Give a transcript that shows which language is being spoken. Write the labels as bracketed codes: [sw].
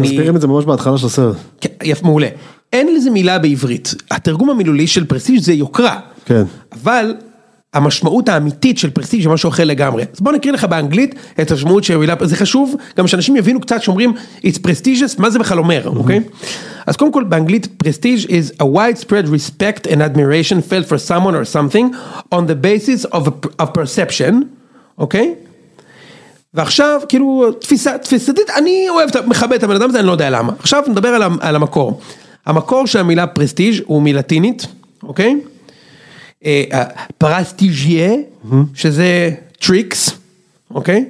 [he] מסבירים את זה ממש בהתחלה של הסרט. יפה, מעולה. אין לזה מילה בעברית. התרגום המילולי של פרסטיג' זה יוקרה. כן. אבל המשמעות האמיתית של פרסטיג' זה משהו אחר לגמרי. אז בוא נקריא לך באנגלית את המשמעות של המילה, זה חשוב, גם שאנשים יבינו קצת שאומרים, [en] it's prestigious, [he] מה זה בכלל אומר, אוקיי? אז קודם כל באנגלית, [en] prestige is a widespread respect and admiration felt for someone or something on the basis of a perception, אוקיי? [he] ועכשיו, כאילו, תפיסתית, אני אוהב, מכבד את הבן אדם הזה, אני לא יודע למה. עכשיו נדבר על, על המקור. המקור של המילה פרסטיג' הוא מלטינית, אוקיי? פרסטיג'יה, שזה טריקס, אוקיי?